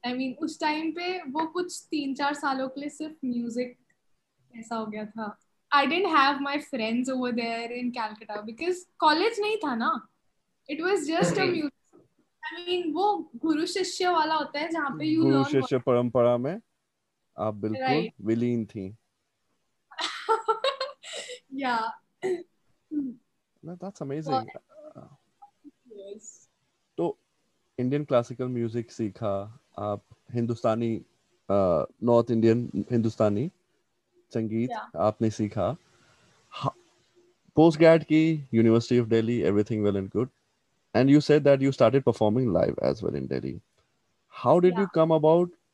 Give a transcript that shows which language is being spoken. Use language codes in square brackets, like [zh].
[hi] I mean, उस time पे वो कुछ 3-4 सालों के लिए सिर्फ म्यूजिक ऐसा हो गया था. [en] I didn't have my friends over there in Calcutta because college नहीं था ना. It was just a music. I mean, वो गुरु शिष्य वाला होता है जहाँ पे [hi] गुरु शिष्य परंपरा में आप बिल्कुल विलीन थी. [en] Yeah. No, that's amazing. [hi] तो इंडियन क्लासिकल म्यूजिक सीखा आप, हिंदुस्तानी नॉर्थ इंडियन हिंदुस्तानी संगीत आपने सीखा, पोस्ट ग्रेड की university of Delhi, everything well and good. [en] And you said that you started performing live as well in Delhi. How did you come about?